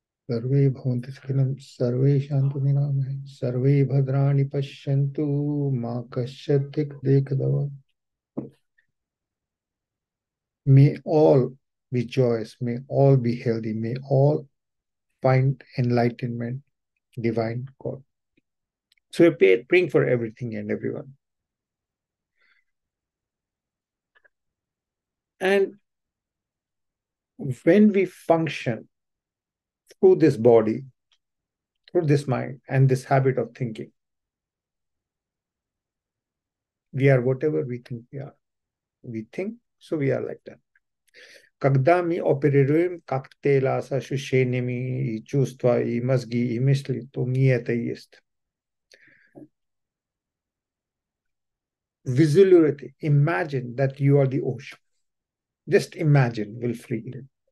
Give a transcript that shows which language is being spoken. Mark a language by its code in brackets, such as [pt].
[sa] सर्वे भवन्ति सुखिनः सर्वे शान्ति निरामयाः सर्वे भद्राणि पश्यन्तु मा कश्चित् दुःख देखदव। [en] May all be joyous, may all be healthy, may all find enlightenment divine god. So we praying for everything and everyone. And when we function through this body, through this mind, and this habit of thinking, we are whatever we think we are. We think, so we are like that. [ru] Когда мы оперируем как тело с ощущениями и чувства и мозги и мысли, то мы это есть. [en] Visualize, imagine that you are the ocean. Just imagine willfully.